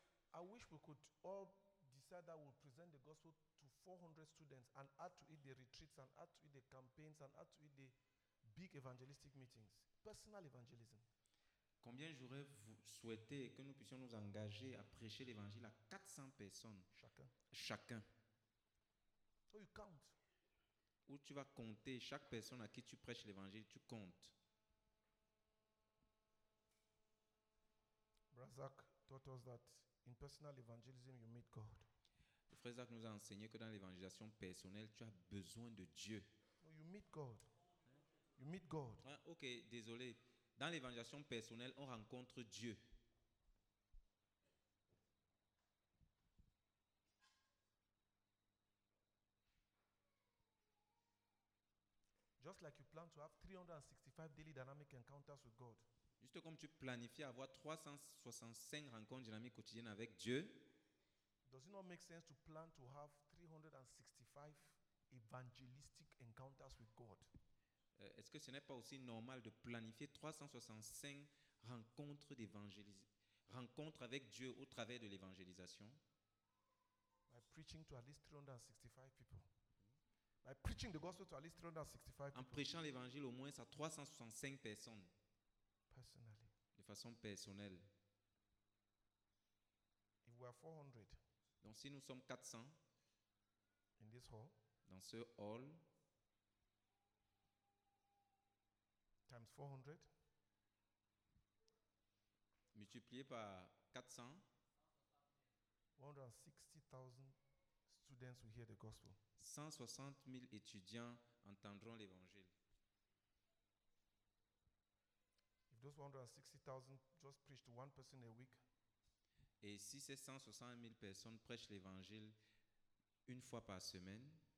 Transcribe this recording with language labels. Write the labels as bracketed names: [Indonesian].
[English] I wish we could all decide that we'll present the gospel to 400 students and add to it the retreats and add to it the campaigns and add to it the big evangelistic meetings, personal evangelism. [French] Combien j'aurais souhaité que nous puissions nous engager à prêcher l'évangile à 400 personnes chacun. Chacun. [English] So you count. [French] Où tu vas compter chaque personne à qui tu prêches l'évangile, tu comptes. [English] Brazak taught us that in personal evangelism you meet God. [French] Le frère Zach nous a enseigné que dans l'évangélisation personnelle, tu as besoin de Dieu. [English] So you meet God. You meet God. [French] Ok, désolé. Dans l'évangélisation personnelle, on rencontre Dieu. [English] Just like you plan to have 365 daily dynamic encounters with God. [French] Juste comme tu planifies avoir 365 rencontres dynamiques quotidiennes avec Dieu. [English] Does it not make sense to plan to have 365 evangelistic encounters with God? [French] Est-ce que ce n'est pas aussi normal de planifier 365 rencontres rencontres avec Dieu au travers de l'évangélisation? [English] By preaching to at least 365 people. By preaching the gospel to at least 365 people. [French] En prêchant l'évangile au moins à 365 personnes. [English] Personally. [French] De façon personnelle. [English] If we are 400. [French] Donc si nous sommes 400. [English] In this hall. [French] Dans ce hall. [English] Times 400. [French] Multiplié par 400. [English] 160,000 students will hear the gospel. [French] 160,000 étudiants entendront l'évangile. [English] If those 160,000 just preach to one person a week. [French] Et si ces 160,000 personnes prêchent l'évangile une fois par semaine.